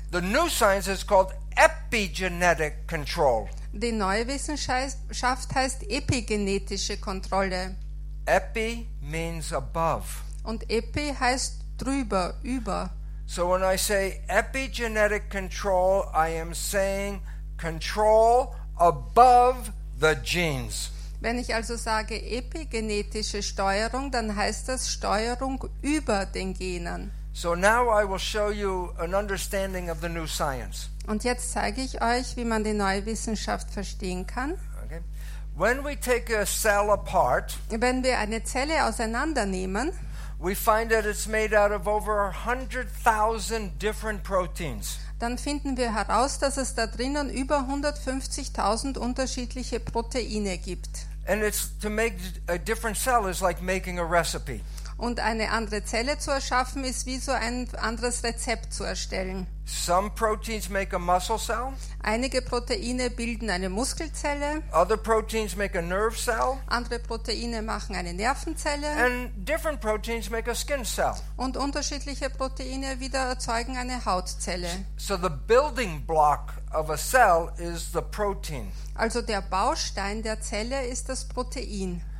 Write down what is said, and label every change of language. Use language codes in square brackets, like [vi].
[en] The new science is called epigenetic control. [de] Die neue Wissenschaft heißt epigenetische Kontrolle. [en] Epi means above. [de] Und epi heißt drüber, über. [en] So when I say epigenetic control, I am saying control above the genes. [de] Wenn ich also sage epigenetische Steuerung, dann heißt das Steuerung über den Genen. [en] So now I will show you an understanding of the new science. [de] Und jetzt zeige ich euch, wie man die neue Wissenschaft verstehen kann. [en] Okay. When we take a cell apart, [de] wenn wir eine Zelle auseinandernehmen, [en] we find that it's made out of over 100,000 different proteins. [de] Dann finden wir heraus, dass es da drinnen über 150.000 unterschiedliche Proteine gibt. [en] And it's to make a different cell is like making a recipe. [de] Und eine andere Zelle zu erschaffen ist wie so ein anderes Rezept zu erstellen. [en] Some proteins make a muscle cell. [de] Einige Proteine bilden eine Muskelzelle. [en] Other proteins make a nerve cell. [de] Andere Proteine machen eine Nervenzelle. [en] And different proteins make a skin cell. [de] Und unterschiedliche Proteine wieder erzeugen eine Hautzelle. [en] So the building block of a cell is the protein. [de] Also der Baustein der Zelle ist das Protein.